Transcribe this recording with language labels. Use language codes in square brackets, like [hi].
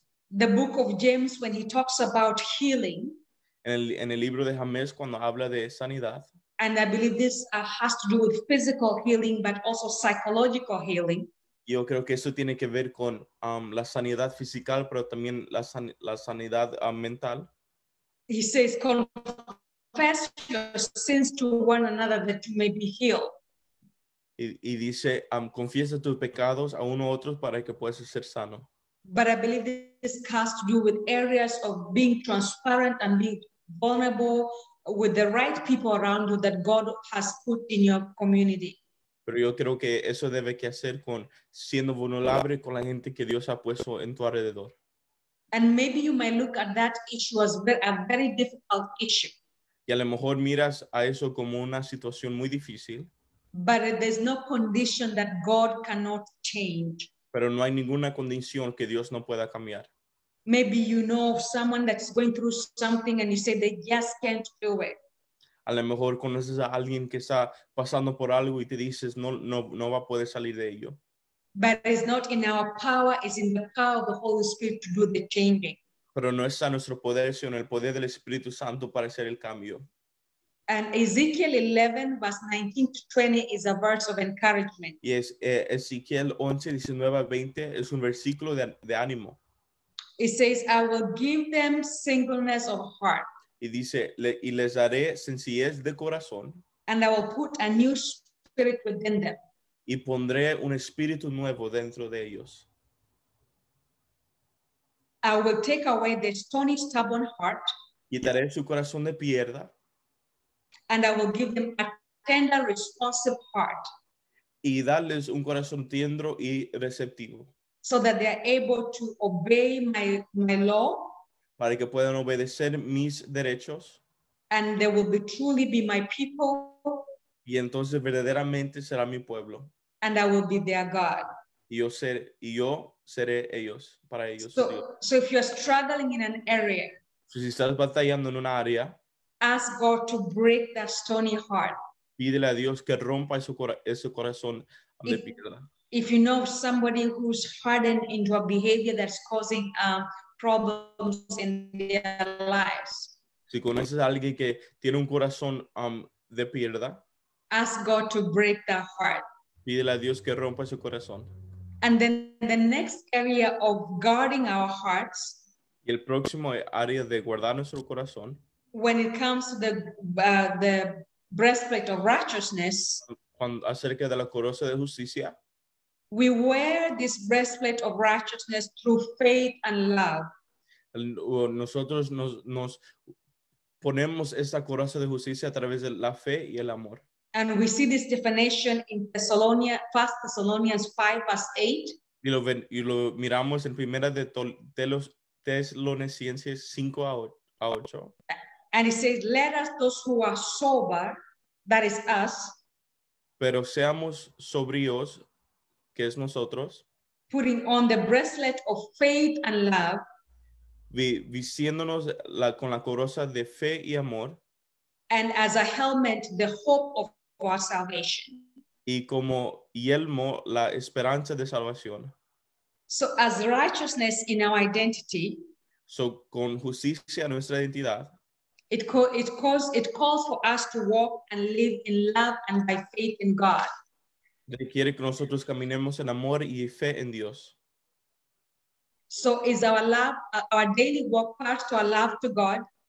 [en] The book of James, when he talks about healing. [es] En el libro de James, cuando habla de sanidad. [en] And I believe this has to do with physical healing, but also psychological healing. [es] Yo creo que eso tiene que ver con la sanidad física, pero también la sanidad mental. [en] He says, confess your sins to one another that you may be healed. [es] Y dice, confiesa tus pecados a uno a otro para que puedas ser sano. [en] But I believe this has to do with areas of being transparent and being vulnerable with the right people around you that God has put in your community. [es] Pero yo creo que eso debe que hacer con siendo vulnerable con la gente que Dios ha puesto en tu alrededor. [en] And maybe you might look at that issue as a very difficult issue. [es] Y a lo mejor miras a eso como una situación muy difícil. [en] But there's no condition that God cannot change. [es] Pero no hay ninguna condición que Dios no pueda cambiar. [en] Maybe you know of someone that's going through something and you say they just can't do it. [es] A lo mejor conoces a alguien que está pasando por algo y te dices no va a poder salir de ello. [en] But it's not in our power, it's in the power of the Holy Spirit to do the changing. [es] Pero no está en nuestro poder, sino en el poder del Espíritu Santo para hacer el cambio. [en] And Ezekiel 11, verse 19 to 20 is a verse of encouragement. [es] Yes, Ezekiel 11, 19 to 20 es un versículo de ánimo. [en] It says, I will give them singleness of heart. [es] Y dice, y les daré sencillez de corazón. [en] And I will put a new spirit within them. [es] Y pondré un espíritu nuevo dentro de ellos. [en] I will take away their stony, stubborn heart. [es] Quitaré su corazón de piedra. [en] And I will give them a tender, responsive heart. [es] y darles un corazón tierno y receptivo. [en] So that they are able to obey my law. [es] Para que puedan obedecer mis derechos. [en] And they will be truly be my people. [es] Y entonces verdaderamente será mi pueblo. [en] And I will be their God. [es] Y yo seré ellos, para ellos. [en] So if you are struggling in an area. [es] Si estás batallando en una área. [en] Ask God to break that stony heart. [es] Pídele a Dios que rompa ese corazón de piedra. [en] If you know somebody who's hardened into a behavior that's causing problems in their lives. [es] Si conoces a alguien que tiene un corazón de piedra. [en] Ask God to break that heart. [es] Pídele a Dios que rompa su corazón. [en] And then the next area of guarding our hearts. [es] Y el próximo área de guardar nuestro corazón. [en] When it comes to the breastplate of righteousness. [es] Cuando acerca de la coraza de justicia. [en] We wear this breastplate of righteousness through faith and love. [es] Nosotros nos ponemos esta coraza de justicia a través de la fe y el amor. [en] And we see this definition in Thessalonians, 1 Thessalonians 5, verse 8. [es] Y lo miramos en primera de los Tesalonicenses 5 a 8. [en] And it says, let us those who are sober, that is us. [es] Pero seamos sobrios, que es nosotros. [en] Putting on the bracelet of faith and love. [es] Vistiéndonos con la coraza de fe y amor. [en] And as a helmet, the hope of our salvation. [es] Y como yelmo, la esperanza de salvación. [en] So as righteousness in our identity. [es] So con justicia nuestra identidad. [en] It calls for us to walk and live in love and by faith in God. [es] Requiere que nosotros caminemos en amor y fe en Dios. [en] So is our love, our daily walk part to our love to God.